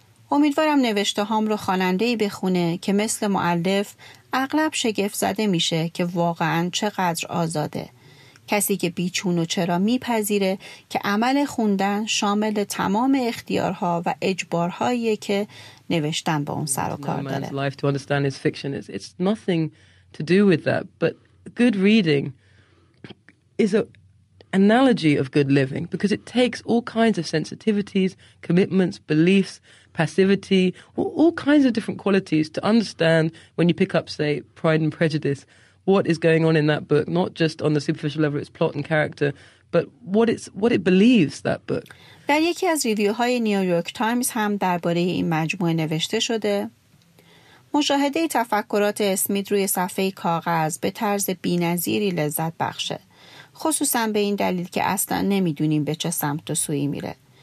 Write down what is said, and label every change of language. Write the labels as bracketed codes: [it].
[fa] امیدوارم نوشته هام رو خواننده‌ای بخونه که مثل مؤلف اغلب شگفت زده میشه که واقعا چقدر آزاده. کسی که بیچون و چرا میپذیره که عمل خوندن شامل تمام اختیارها و اجبارهایی که نوشتن با اون سر و کار داره. [en] No man's life to understand is fiction. It's nothing to do with that. But good reading is an analogy of good living because it takes all kinds of sensitivities, commitments, beliefs, passivity, all kinds of different qualities to understand when you pick up, say, Pride and Prejudice. What is going on in that book, not just on the superficial level, its plot and character, but what it believes, that book. [fa] در یکی از ریویوهای نیویورک تایمز هم درباره این مجموعه نوشته شده. مشاهده تفکرات اسمیت روی صفحه کاغذ به طرز بی‌نظیری لذت بخشه. خصوصا به این دلیل که اصلا نمی‌دونیم به چه سمت و سویی میره.